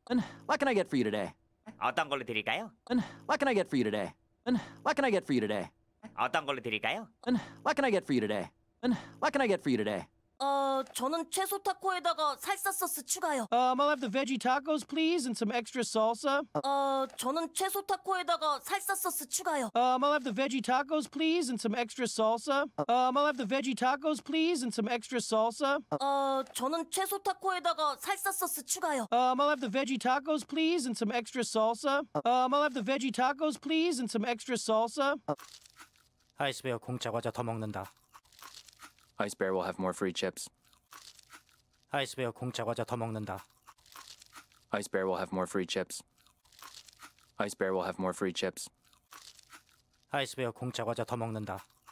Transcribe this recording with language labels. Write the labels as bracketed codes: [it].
[en] And what can I get for you today? [ko] 어떤 걸로 드릴까요? [en] And what can I get for you today? And what can I get for you today? [ko] 어떤 걸로 드릴까요? [en] And what can I get for you today? And what can I get for you today? [ko] 저는 채소 타코에다가 살사 소스 추가요. [en] I'll have the veggie tacos, please, and some extra salsa. [ko] 저는 채소 타코에다가 살사 소스 추가요. [en] I'll have the veggie tacos, please, and some extra salsa. I'll have the veggie tacos, please, and some extra salsa. [ko] 저는 채소 타코에다가 살사 소스 추가요. [en] I'll have the veggie tacos, please, and some extra salsa. I'll have the veggie tacos, please, and some extra salsa. [ko] 아이스베어 공짜 과자 더 먹는다. [en] Ice Bear will have more free chips. [ko] Ice Bear 공짜 과자 더 먹는다. [en] Ice Bear will have more free chips. Ice Bear will have more free chips. [ko] Ice Bear 공짜 과자 더 먹는다.